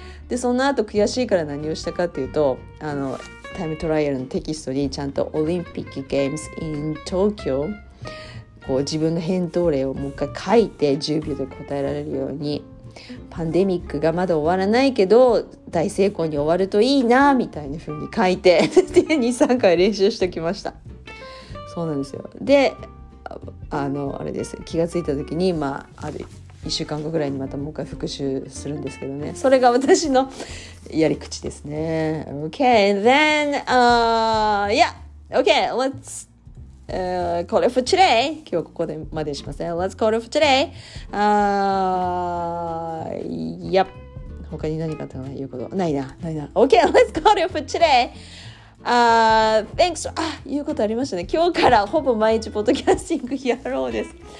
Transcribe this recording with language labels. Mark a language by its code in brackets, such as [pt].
[ja] でその後悔しいから何をしたかっていうと、あのタイムトライアルのテキストにちゃんとオリンピックゲームズ in 東京、こう自分の返答例をもう一回書いて10秒で答えられるように、パンデミックがまだ終わらないけど大成功に終わるといいなみたいな風に書いて2、3回練習しておきました。そうなんですよ。で あれです、気がついた時に、まあ、ある1週間後ぐらいにまたもう一回復習するんですけどね。それが私のやり口ですね。 [en] OK then yeah OK let'sCall it for today. [ja] 今日はここでまでしますね。 [en] Let's call it for today. Yep. [ja] 他に何かと言うことないな。ないな。 [en] Okay, let's call it for today. Thanks. [ja] 言うことありましたね。今日からほぼ毎日ポッドキャスティングやろうです。